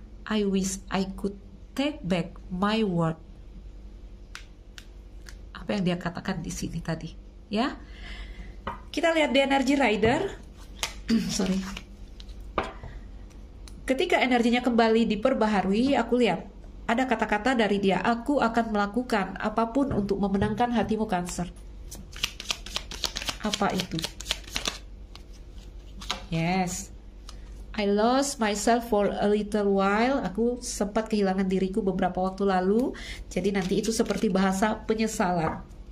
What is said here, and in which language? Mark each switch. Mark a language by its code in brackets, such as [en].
[en] I wish I could take back my word. [id] Apa yang dia katakan di sini tadi, ya? Kita lihat di energi rider. Sorry. Ketika energinya kembali diperbaharui, aku lihat ada kata-kata dari dia, aku akan melakukan apapun untuk memenangkan hatimu, Cancer. Apa itu? [en] Yes. I lost myself for a little while. [id] Aku sempat kehilangan diriku beberapa waktu lalu. Jadi nanti itu seperti bahasa penyesalan.